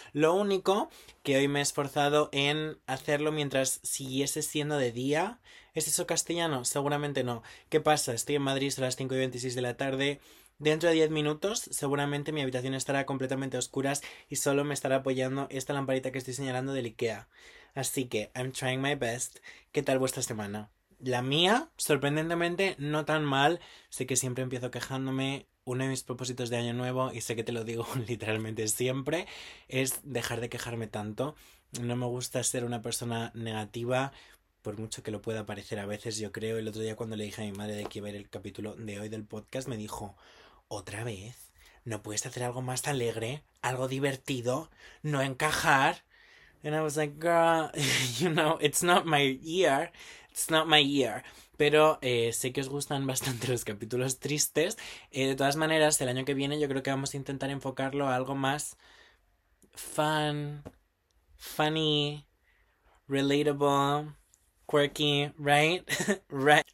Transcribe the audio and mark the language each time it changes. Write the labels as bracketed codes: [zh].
[es] Lo único que hoy me he esforzado en hacerlo mientras siguiese siendo de día. ¿Es eso castellano? Seguramente no. ¿Qué pasa? Estoy en Madrid, son las 5 y 26 de la tarde. Dentro de 10 minutos, seguramente mi habitación estará completamente a oscuras y solo me estará apoyando esta lamparita que estoy señalando del IKEA. Así que, [en] I'm trying my best. [es] ¿Qué tal vuestra semana? La mía, sorprendentemente, no tan mal. Sé que siempre empiezo quejándome. Uno de mis propósitos de año nuevo, y sé que te lo digo literalmente siempre, es dejar de quejarme tanto. No me gusta ser una persona negativa, por mucho que lo pueda parecer a veces, yo creo. El otro día cuando le dije a mi madre de que iba a ver el capítulo de hoy del podcast, me dijo, ¿otra vez? ¿No puedes hacer algo más alegre? ¿Algo divertido? ¿No encajar? [en] And I was like, girl, you know, it's not my year. It's not my year. [es] Pero sé que os gustan bastante los capítulos tristes. De todas maneras, el año que viene yo creo que vamos a intentar enfocarlo a algo más [en] fun, funny, relatable. Quirky, right? Right.